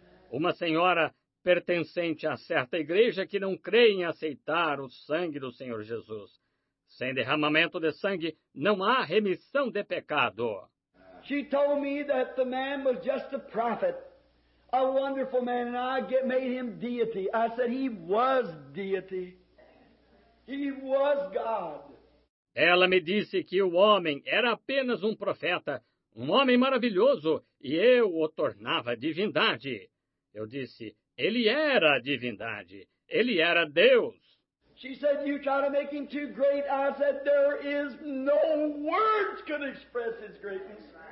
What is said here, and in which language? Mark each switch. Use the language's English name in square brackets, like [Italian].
[Portuguese] Uma senhora pertencente a certa igreja que não crê em aceitar o sangue do Senhor Jesus. Sem derramamento de sangue, não há remissão de pecado. [English] She told me that the man was just a prophet, a wonderful man, and I made him deity. I said he was deity. He was God. [Portuguese] Ela me disse que o homem era apenas um profeta, um homem maravilhoso, e eu o tornava divindade. Eu disse, ele era a divindade, ele era Deus. [English] She said, you try to make him too great. I said, there is no words can express his greatness.